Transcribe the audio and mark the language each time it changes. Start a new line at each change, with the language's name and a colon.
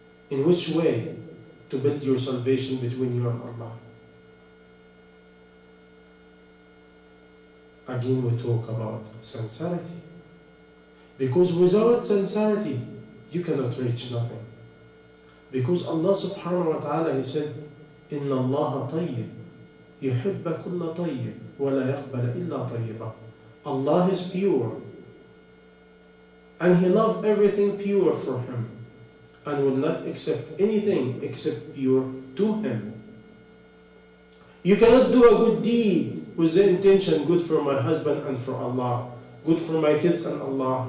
English: In which way to build your salvation between you and Allah? Again, we talk about sincerity. Because without sincerity, you cannot reach nothing. Because Allah subhanahu wa ta'ala, He said,
Arabic: إن الله طيب يحب كل طيب ولا يقبل إلا طيبا.
English: Allah is pure and He loves everything pure for Him and will not accept anything except pure to Him. You cannot do a good deed with the intention good for my husband and for Allah, good for my kids and Allah.